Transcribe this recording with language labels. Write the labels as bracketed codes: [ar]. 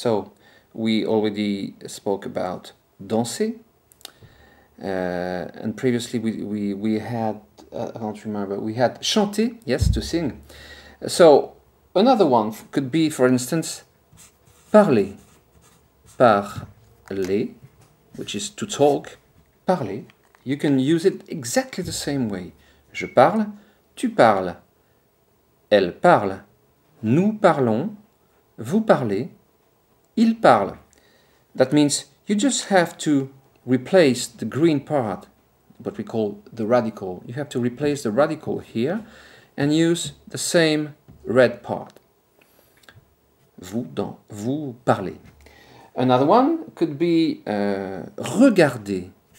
[en] So we already spoke about danser, and previously we had, I don't remember, we had chanter, yes, to sing. So another one could be, for instance, parler. Parler, which is to talk, parler, you can use it exactly the same way. [fr] Je parle, tu parles, elle parle, nous parlons, vous parlez, il parle. [en] That means you just have to replace the green part, what we call the radical. You have to replace the radical here and use the same red part. [fr] Vous dans, vous parlez. [en] Another one could be regarder.